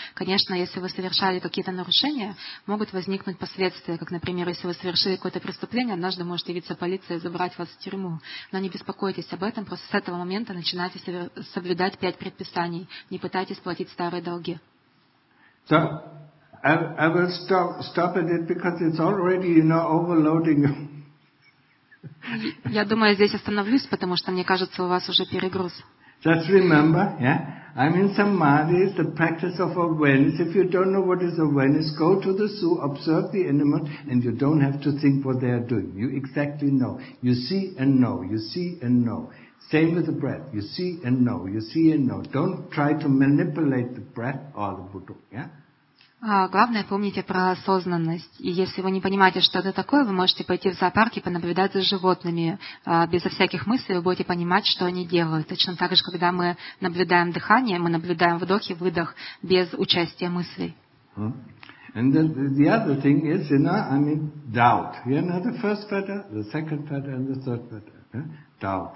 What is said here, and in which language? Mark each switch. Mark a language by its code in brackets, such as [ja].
[ru] Конечно, если вы совершали какие-то нарушения, могут возникнуть последствия. Как, например, если вы совершили какое-то преступление, однажды может явиться полиция и забрать вас в тюрьму. Но не беспокойтесь об этом, просто с этого момента начинайте соблюдать пять предписаний. Не пытайтесь платить старые долги. Да. [en] I will stop at it because it's already, you know, overloading. [ru] Я думаю, здесь остановлюсь, потому что мне кажется, у вас уже перегруз. [en] Just remember, yeah. I mean, samadhi is the practice of awareness. If you don't know what is awareness, go to the zoo, observe the animal, and you don't have to think what they are doing. You exactly know. You see and know. You see and know. Same with the breath. You see and know. You see and know. Don't try to manipulate the breath or the buddha. Yeah. [ru] Главное, помните про осознанность. И если вы не понимаете, что это такое, вы можете пойти в зоопарк и понаблюдать за животными. Безо всяких мыслей вы будете понимать, что они делают. Точно так же, когда мы наблюдаем дыхание, мы наблюдаем вдох и выдох без участия мыслей. [en] And the other thing is, you know, I mean, doubt. You know, the first feather, the second feather, and the third feather. Yeah? Doubt.